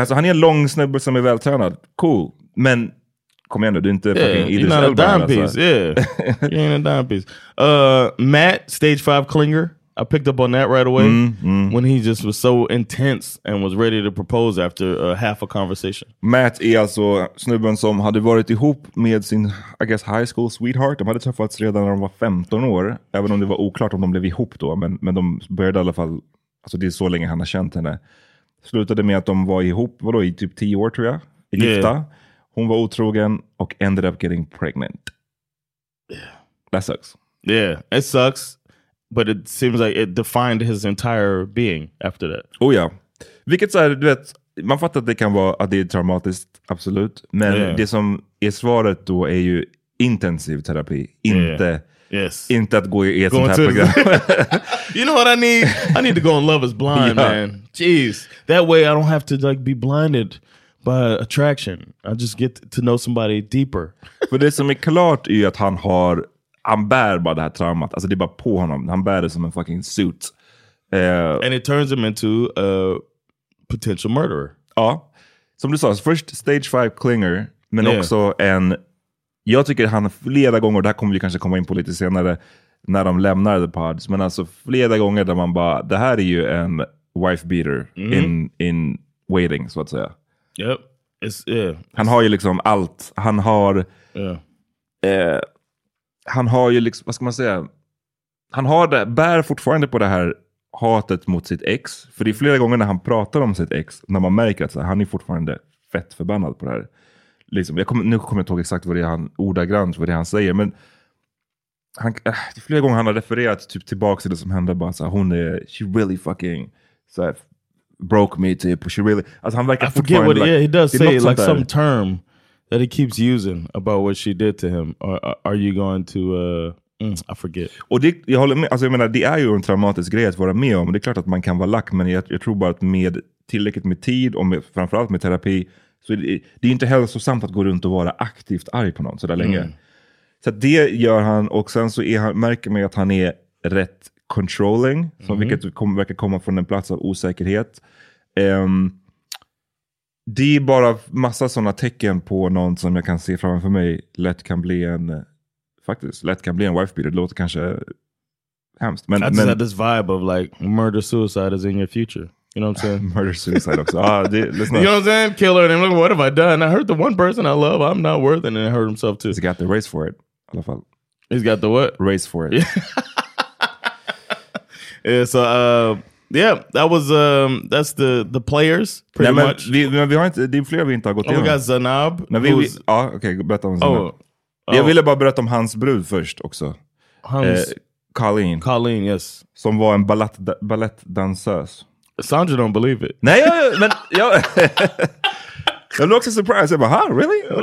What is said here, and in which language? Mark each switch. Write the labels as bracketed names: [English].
[Swedish] Alltså han är en lång snubbe som är vältränad. Cool. Men kom igen då. Du är inte fucking Idris Elba. [English] You're not a dime piece. Yeah. You ain't a dime piece. Matt, stage 5 clinger. I picked up on that right away. When he just was so intense and was ready to propose after half a conversation. [Swedish] Matt är alltså snubben som hade varit ihop med sin, [English] I guess, high school sweetheart. [Swedish] De hade träffats redan när de var 15 år. Även om det var oklart om de blev ihop då. Men de började i alla fall, alltså det är så länge han har känt henne. Slutade med att de var ihop, vadå, i typ 10 år tror jag. I gifta. Hon var otrogen och [English] ended up getting pregnant. That sucks. Yeah, it sucks. But it seems like it defined his entire being after that. [Swedish] Oh ja. Vilket så här, du vet, man fattar att det kan vara att det är traumatiskt, absolut. Men yeah, det som är svaret då är ju intensiv terapi. Inte, [English] yeah, yes, [Swedish] inte att gå i ett sånt här program. [English] You know what I need? I need to go on Love is Blind, yeah, man. Jeez. That way I don't have to like be blinded by attraction. I just get to know somebody deeper. [Swedish] För det som är klart är att han har... Han bär bara det här traumat. Alltså det är bara på honom. Han bär det som en [English] fucking suit. And it turns him into a potential murderer. [Swedish] Ja. Som du sa, först [English] stage 5 clinger. [Swedish] Men yeah, också en... Jag tycker han flera gånger, det här kommer vi kanske komma in på lite senare, när de lämnar [English] the pods. [Swedish] Men alltså flera gånger där man bara... Det här är ju en [English] wife beater, [Swedish] mm-hmm, in waiting, så att säga. [English] Yep. It's, yeah. [Swedish] Han har ju liksom allt. Han har... [English] Yeah. [Swedish] Han har ju liksom, vad ska man säga, han har det, bär fortfarande på det här hatet mot sitt ex. För det är flera gånger när han pratar om sitt ex, när man märker att så här, han är fortfarande fett förbannad på det här. Liksom, nu kommer jag inte ihåg exakt vad det är han, ordagrant vad det är han säger, men han, det är flera gånger han har refererat typ tillbaka till det som hände, bara såhär, hon är, [English] she really fucking, [Swedish] så här, [English] broke me, [Swedish] typ, [English] she really, [Swedish] alltså han verkar fortfarande, [English] I forget what, like, yeah, he does say, like some där term that he keeps using about what she did to him. Are you going to... I forget. [Swedish] Och det, jag håller med, alltså jag menar, det är ju en traumatisk grej att vara med om. Det är klart att man kan vara lack, men jag tror bara att med tillräckligt med tid och med, framförallt med terapi, så det är ju inte hälsosamt att gå runt och vara aktivt arg på någon så där länge. Så det gör han, och sen så är han, märker man att han är rätt controlling, som vilket verkar komma från en plats av osäkerhet. Det är bara massa sådana tecken på någon som jag kan se framför mig lätt kan bli en, faktiskt, lätt kan bli en [English] wife beater. [Swedish] Det låter kanske hemskt. Men, [English] I just [Swedish] men, [English] had this vibe of like, murder suicide is in your future. You know what I'm saying? [Swedish] Murder suicide också. Ah, det, [English] you know what I'm saying? Killer, and I'm like, what have I done? I hurt the one person I love. I'm not worth it. And I hurt himself too. He's got the race for it. [Swedish] I alla fall. [English] He's got the what? Race for it. Yeah, so... Yeah, that was that's the players pretty [Swedish] nej, men, [English] much. [Swedish] Vi har inte, det är flera vi inte har gått [English] in. Oh, we got Zainab. [Swedish] Ja, okej, berätta om Zainab. Jag ville bara berätta om hans brud först också. Hans Colleen. [English] Colleen, yes. [Swedish] Som var en ballettdansös. [English] Sandra don't believe it. [Swedish] Nej, men jag jag blev också [English] surprised. [Swedish] Jag bara, [English] huh, really?